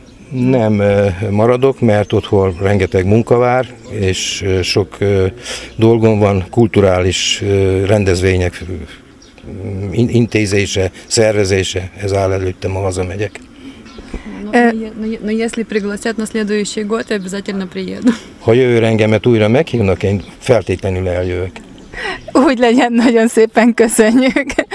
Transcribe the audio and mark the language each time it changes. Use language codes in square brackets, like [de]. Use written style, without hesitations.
[hu] Nem maradok, mert otthon rengeteg munka vár, és sok dolgom van, kulturális rendezvények intézése, szervezése, ez áll előttem, ha hazamegyek. [ru] Но если пригласят на следующий год, я обязательно приеду. [hu] Ha jövőre engemet újra meghívnak, én feltétlenül eljövök. Úgy legyen, nagyon szépen köszönjük.